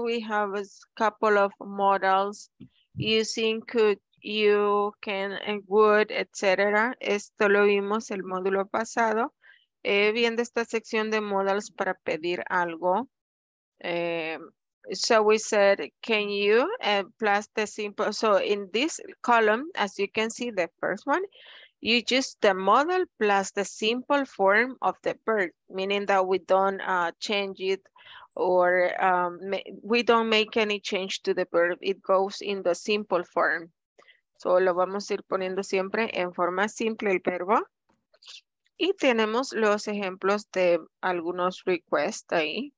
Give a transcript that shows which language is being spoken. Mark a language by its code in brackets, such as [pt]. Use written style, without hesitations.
[en] We have a couple of models using could, you, can, and would, etc. [es] Esto lo vimos el módulo pasado. Viendo esta sección de models para pedir algo. [en] So we said, can you, plus the simple. So in this column, as you can see, the first one, you just the model plus the simple form of the verb, meaning that we don't change it or we don't make any change to the verb. It goes in the simple form. [es] So lo vamos a ir poniendo siempre en forma simple el verbo. Y tenemos los ejemplos de algunos requests ahí.